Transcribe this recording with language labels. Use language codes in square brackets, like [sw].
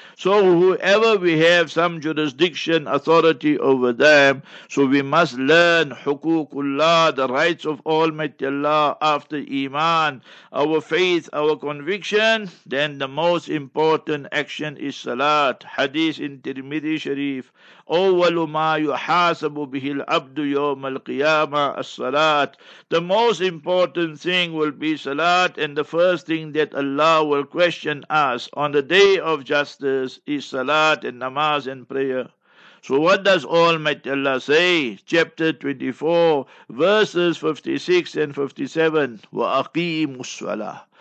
[en] So whoever we have some jurisdiction, authority over them, so we must learn hukukullah, the rights of Almighty Allah, after iman, our faith, our conviction, then the most important action is salat. [ar] Hadith in Tirmidhi Sharif, أَوَّلُ مَا يُحَاسَبُ بِهِ الْعَبْدُ يَوْمَ الْقِيَامَةِ الصَّلَاةِ. [en] The most important thing will be salat, and the first thing that Allah will question us on the day of justice is salat and namaz and prayer. So what does Almighty Allah say? Chapter 24, verses 56 and 57, [ar] وَأَقِيمُ الصَّلَاةِ.